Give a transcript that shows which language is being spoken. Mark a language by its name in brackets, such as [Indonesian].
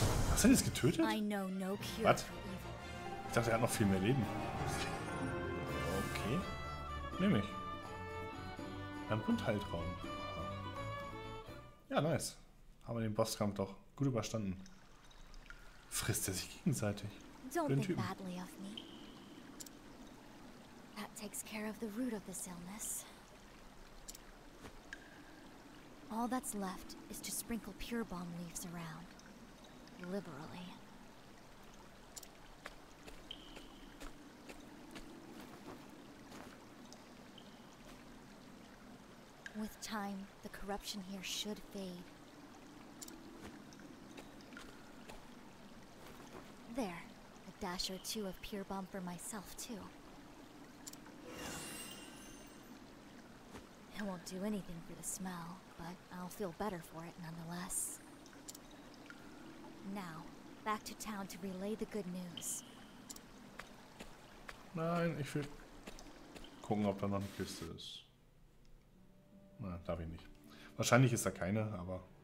[German] Hast du ihn jetzt getötet? Was? Ich dachte, er hat noch viel mehr Leben. Okay. Nehm ich. Ein Bundheiltraum. Ja, nice. Haben wir den Bosskampf doch gut überstanden. Frisst er sich gegenseitig? Den Typen. [English] That takes care of the root of this illness. All that's left is to sprinkle pure balm leaves around. Liberally. With time, the corruption here should fade. There, a dash or two of pure balm for myself, too. It won't do anything for the smell, but I'll feel better for it nonetheless. Now, back to town to relay the good news. [German] Nein, ich will gucken, ob da noch eine Kiste ist. Na, darf ich nicht. Wahrscheinlich ist da keine, aber.